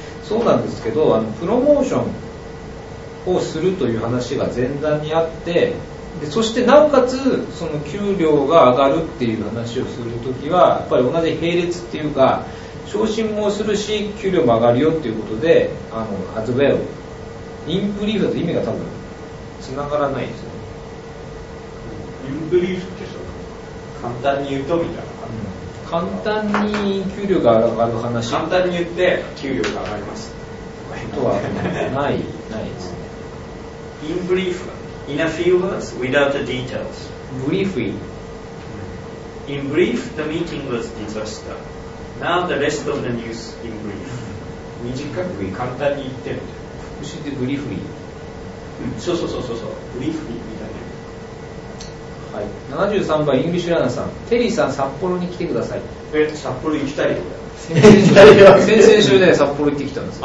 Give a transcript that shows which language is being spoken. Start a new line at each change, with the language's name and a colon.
Japanese: そうなんですけど、プロモーションをするという話が前段にあって、でそしてなおかつその給料が上がるっていう話をするときはやっぱり同じ並列っていうか、昇進もするし給料も上がるよっていうことで、
English: as well、
Japanese: インブリーフだと意味が多分つながらないですよ。インブリーフってそう簡単に言うとみたいな、うん、簡単に給料が上がる話、簡単に言って給料が上がりますとはないないですね。
English: In brief, in a few words, without the details. Briefly. In brief, the meeting was disaster. Now the rest of the news in brief.
Japanese: 短く簡単に言ってみたいな。復習で briefly。そうそうそうそうそう。 Briefly みたいな。はい。 73番、イングリッシュランナーさん。テリーさん、札幌に来てください。札幌行きたいとか。先々週ね、札幌行ってきたんですよ。